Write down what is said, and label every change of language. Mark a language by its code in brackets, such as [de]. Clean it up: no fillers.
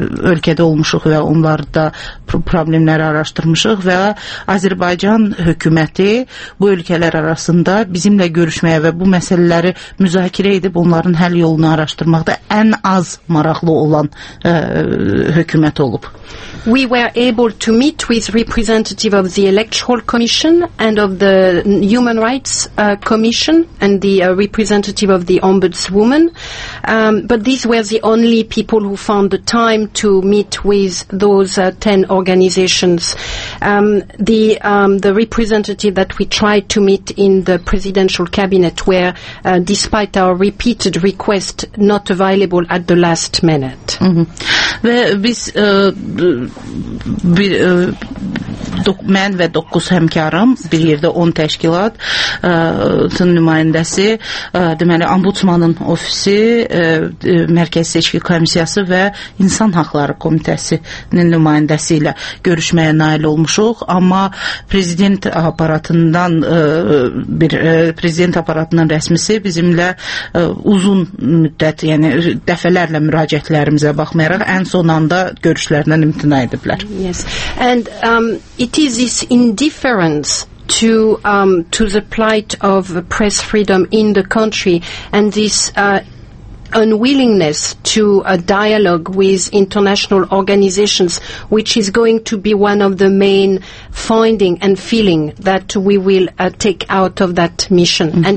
[az] ölkədə olmuşuq və onlarda problemləri araşdırmışıq və Azərbaycan hökuməti bu ölkələr arasında bizimlə görüşməyə və bu məsələləri müzakirə edib onların həll yolunu araşdırmaq ən az maraqlı olan hökumət olub. [en] We were able to meet with representative of the Electoral Commission and of the Human Rights Commission and the representative of the Ombudswoman. But these were the only people who found the time to meet with those 10 organizations. The representative that we tried to meet in the presidential cabinet were, despite our repeated request, not available at the last minute. Mm-hmm. [az] Ve biz bir mən və 9 həmkarım, bir yerdə 10 təşkilatın nümayəndəsi, deməli ombudsmanın ofisi, Mərkəz Seçki Komissiyası və İnsan Haqları Komitəsinin nümayəndəsi ilə görüşməyə nail olmuşuq, amma prezident aparatından bir prezident aparatının rəsmisi bizimlə uzun müddət, yəni dəfələrlə müraciətlərimizə baxmayaraq ən son anda görüşlərindən imtina ediblər. [en] Yes. And it is this indifference to the plight of press freedom in the country and this unwillingness to a dialogue with international organizations, which is going to be one of the main finding and feeling that we will take out of that mission, mm-hmm.